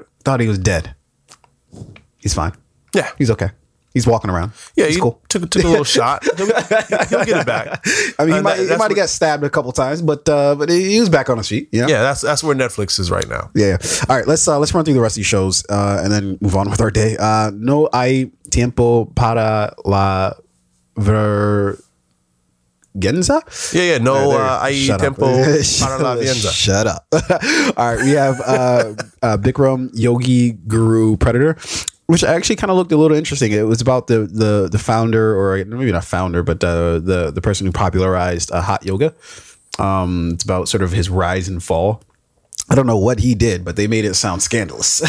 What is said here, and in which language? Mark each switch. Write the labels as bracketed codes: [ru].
[en] We thought he was dead. He's fine. Yeah. He's okay. He's walking around. Yeah, he's cool. Took a little shot. He'll get it back. I mean, he might have got stabbed a couple times, but he was back on his feet. Yeah, yeah. That's where Netflix is right now. Yeah. All right. Let's run through the rest of these shows and then move on with our day. [es] No hay tiempo para la vergüenza. [en] Yeah, yeah. [es] No hay tiempo para la vergüenza. [en] Shut up. All right. We have Bikram Yogi Guru Predator. Which actually kind of looked a little interesting. It was about the founder, or maybe not founder, but the person who popularized hot yoga. It's about sort of his rise and fall. I don't know what he did, but they made it sound scandalous.